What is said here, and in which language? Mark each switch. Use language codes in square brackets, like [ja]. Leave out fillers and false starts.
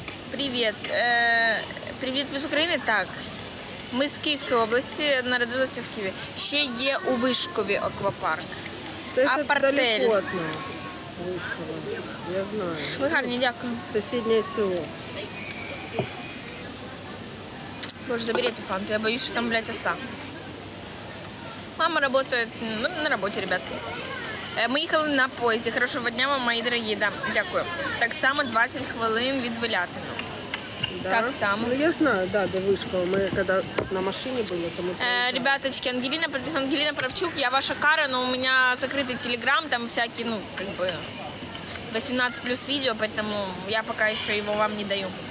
[uk] Привіт, привіт, ви з України? Так. Ми з Київської області, народилися в Києві. Ще є у Вишкові аквапарк. Апартель. Це далеко від нас, Вишкова. Я знаю. Ви гарні, дякую. Сусіднє село. Боже, забери ту фанту, я боюсь, що там, блядь, оса. [ru] Мама работает, ну, на работе, ребят. [uk] Ми їхали на поїзді. Хорошого дня вам, мої дорогі. Да, дякую. Так само 20 хвилин від Велятина. Да. Так само. Ну, я знаю, да, до Вишкова. Ми коли на машині були, то ми... Ребяточки, Ангеліна, підписана Ангеліна Правчук. Я ваша кара, але у мене закритий телеграм. Там всякі, ну, [ru] как бы [uk] 18+ відео, тому я поки ще його вам не даю.